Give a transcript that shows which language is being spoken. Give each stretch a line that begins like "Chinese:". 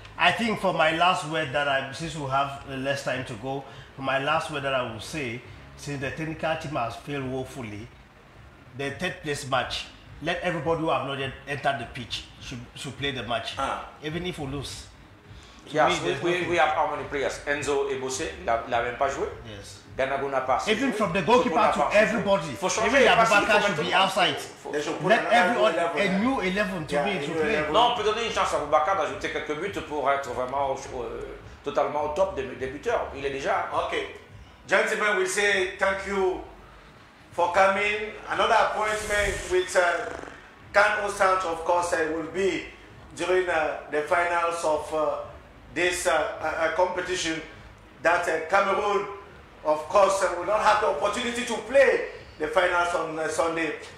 English: I think for my last word that I, since we have less time to go, for my last word that I will say, since the technical team has failed woefully, the third place match, let everybody who have not yet entered the pitch should play the match, even if we lose. We have how many players? Enzo Ebosse,
French: il a même pas joué.
English: Yes.
French: Ganago n'a pas.
English: Even from the goalkeeper to everybody, even Abubakar should be outside. Let everyone a new 11 to be to play.
French: Non, on peut donner une chance à Abubakar d'ajouter quelques buts pour être vraiment totalement au top des buteurs. Il est déjà.
English: Okay, gentlemen, we say thank you for coming. Another appointment with Khan Ostant, of course, will be during the finals of this competition that Cameroon, of course, will not have the opportunity to play the finals on Sunday.